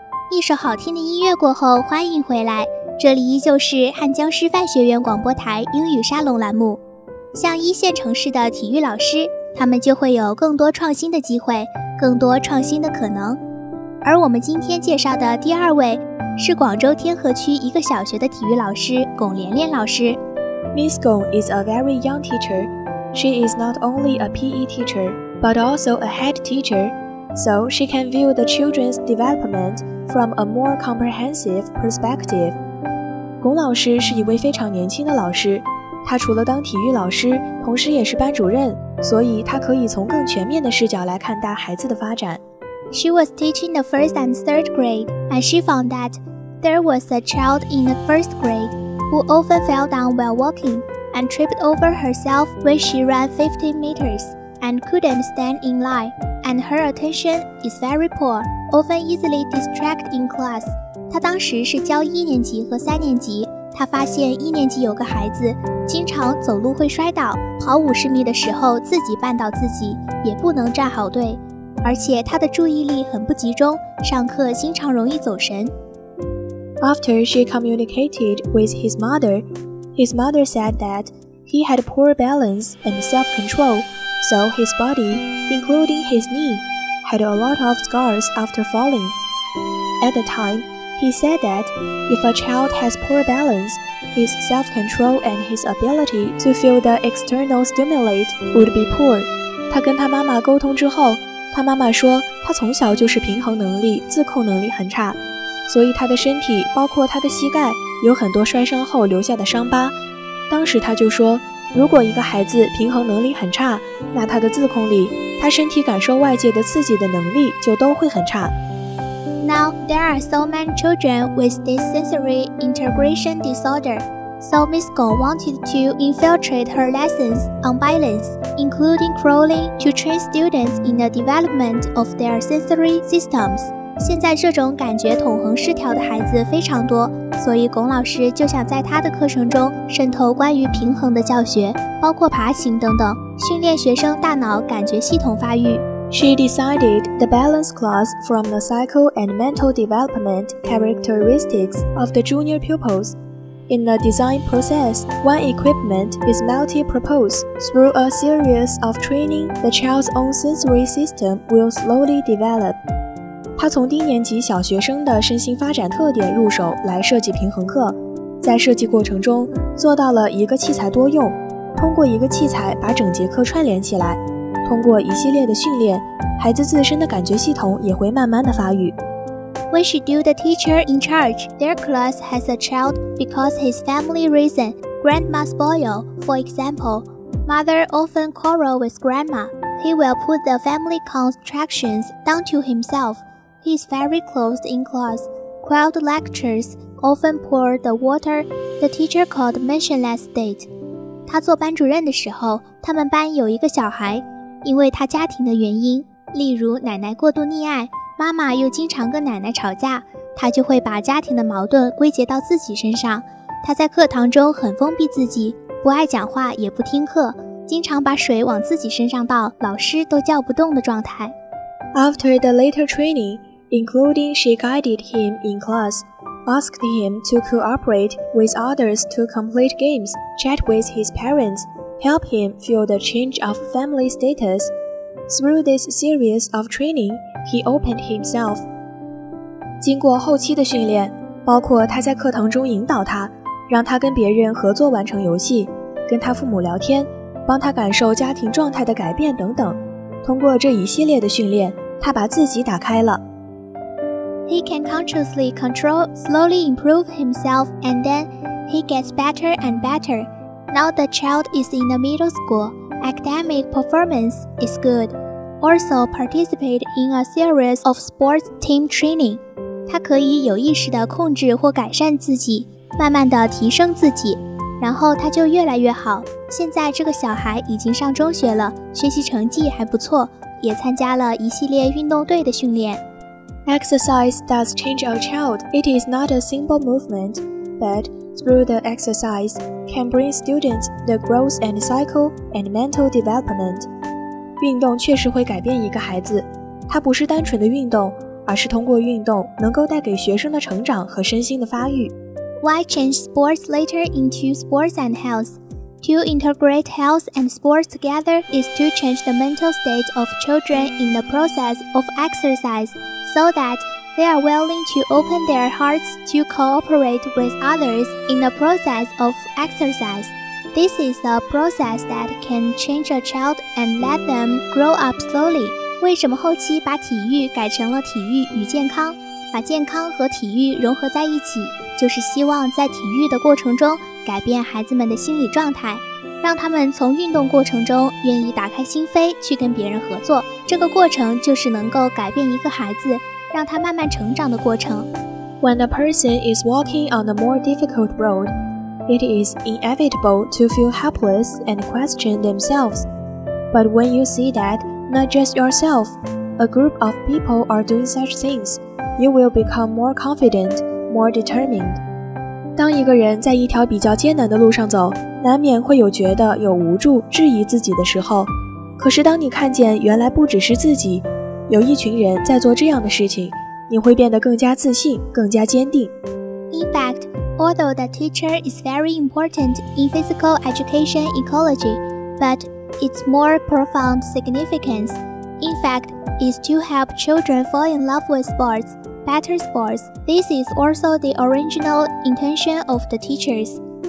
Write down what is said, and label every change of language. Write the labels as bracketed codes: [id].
[zh] 一首好听的音乐过后，欢迎回来，这里依旧是汉江师范学院广播台英语沙龙栏目。像一线城市的体育老师，他们就会有更多创新的机会，更多创新的可能。而我们今天介绍的第二位是广州天河区一个小学的体育老师巩连连老师。 [en] Miss Gong is a very young teacher. She is not only a PE teacher but also a head teacher, so she can view the children's developmentFrom a more comprehensive perspective. [zh] 巩老师是一位非常年轻的老师，他除了当体育老师，同时也是班主任，所以他可以从更全面的视角来看待孩子的发展。 [en] She was teaching the first and third grade, and she found that there was a child in the first grade who often fell down while walking and tripped over herself when she ran 50 meters and couldn't stand in line, and her attention is very poor. Often easily distract in class. [zh] 他当时是教一年级和三年级，他发现一年级有个孩子经常走路会摔倒，跑五十米的时候自己绊倒自己，也不能站好队，而且他的注意力很不集中，上课经常容易走神。 [en] After she communicated with his mother said that he had poor balance and self-control, so his body, including his kneehad a lot of scars after falling. At the time, he said that if a child has poor balance, his self-control and his ability to feel the external stimuli would be poor. [zh] 他跟他妈妈沟通之后，他妈妈说他从小就是平衡能力、自控能力很差，所以他的身体，包括他的膝盖，有很多摔伤后留下的伤疤。当时他就说，如果一个孩子平衡能力很差，那他的自控力，他身体感受外界的刺激的能力就都会很差。 [en] Now, there are so many children with this sensory integration disorder, so Miss Gong wanted to infiltrate her lessons on balance, including crawling, to train students in the development of their sensory systems. [zh] 现在这种感觉统合失调的孩子非常多，所以巩老师就想在他的课程中渗透关于平衡的教学，包括爬行等等，训练学生大脑感觉系统发育。 [en] She decided the balance class from the psycho and mental development characteristics of the junior pupils. In the design process, one equipment is multi-purpose. Through a series of training, the child's own sensory system will slowly develop. [zh] 她从低年级小学生的身心发展特点入手来设计平衡课，在设计过程中做到了一个器材多用，通过一个器材把整节课串联起来，通过一系列的训练，孩子自身的感觉系统也会慢慢的发育。 [en] When she knew the teacher in charge, their class has a child because his family reason, grandma spoil, for example, mother often quarrel with grandma, he will put the family constructions down to himself, he is very closed in class, quiet lectures, often pour the water, the teacher called motionless state. [zh] 他做班主任的时候，他们班有一个小孩，因为他家庭的原因，例如奶奶过度溺爱，妈妈又经常跟奶奶吵架，他就会把家庭的矛盾归结到自己身上。他在课堂中很封闭自己，不爱讲话也不听课，经常把水往自己身上倒，老师都叫不动的状态。 [en] After the later training, including she guided him in class, asked him to cooperate with others to complete games, chat with his parents, help him feel the change of family status. Through this series of training, he opened himself. [zh] 经过后期的训练，包括他在课堂中引导他，让他跟别人合作完成游戏，跟他父母聊天，帮他感受家庭状态的改变等等。通过这一系列的训练，他把自己打开了。 [en] He can consciously control, slowly improve himself, and then he gets better and better. Now the child is in the middle school. Academic performance is good. Also participate in a series of sports team training. [zh] 他可以有意识地控制或改善自己，慢慢地提升自己，然后他就越来越好。现在这个小孩已经上中学了，学习成绩还不错，也参加了一系列运动队的训练。 [en] Exercise does change a child. It is not a simple movement, but through the exercise can bring students the growth and cycle and mental development. [zh] 运动确实会改变一个孩子，它不是单纯的运动，而是通过运动能够带给学生的成长和身心的发育。 [en] Why change sports later into sports and health? To integrate health and sports together is to change the mental state of children in the process of exercise. So that they are willing to open their hearts to cooperate with others in the process of exercise. This is a process that can change a child and let them grow up slowly. [zh] 为什么后期把体育改成了体育与健康？把健康和体育融合在一起，就是希望在体育的过程中改变孩子们的心理状态，让他们从运动过程中愿意打开心扉去跟别人合作。这个过程就是能够改变一个孩子，让他慢慢成长的过程。 [en] When a person is walking on a more difficult road, it is inevitable to feel helpless and question themselves. But when you see that not just yourself, a group of people are doing such things, you will become more confident, more determined. [zh] 当一个人在一条比较艰难的路上走，难免会有觉得有无助、质疑自己的时候。可是当你看见原来不只是自己，有一群人在做这样的事情，你会变得更加自信、更加坚定。 [en] In fact, although the teacher is very important in physical education ecology, but its more profound significance, in fact, is to help children fall in love with sports. Better sports. This is also the original intention of the teachers.